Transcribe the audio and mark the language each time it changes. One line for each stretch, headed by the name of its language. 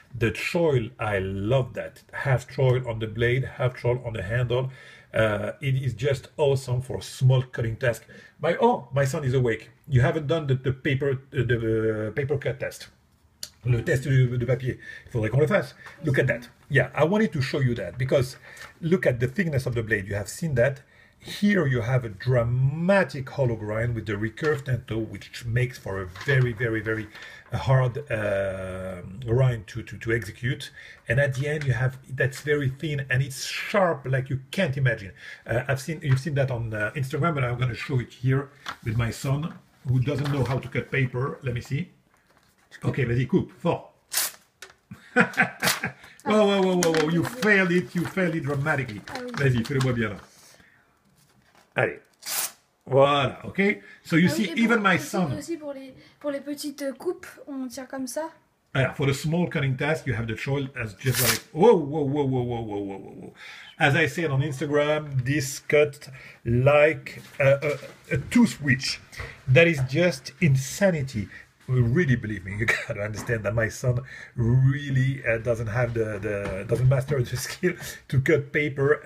English: The choil, I love that. Half choil on the blade, half choil on the handle. It is just awesome for a small cutting task. My son is awake. You haven't done the paper cut test.
French: Le test de papier, il faudrait qu'on le fasse.
English: Look at that. Yeah, I wanted to show you that because look at the thickness of the blade. You have seen that. Here you have a dramatic hollow grind with the recurved end tool, which makes for a very, very, very hard grind to execute. And at the end, you have that's very thin and it's sharp like you can't imagine. You've seen that on Instagram, but I'm going to show it here with my son who doesn't know how to cut paper. Let me see. Okay,
French: vas-y, coupe.
English: Four. Whoa. You failed it. You failed it dramatically.
French: Vas-y, fais-le-moi bien là. Allez. Voilà,
English: okay? So you see, even my son...
French: Aussi pour les petites coupes, on tire comme ça.
English: Yeah, for the small cutting task, you have the choice as just like... Whoa. As I said on Instagram, this cut like a toothwitch. That is just insanity. Really, believe me, you gotta understand that my son really doesn't have doesn't master the skill to cut paper.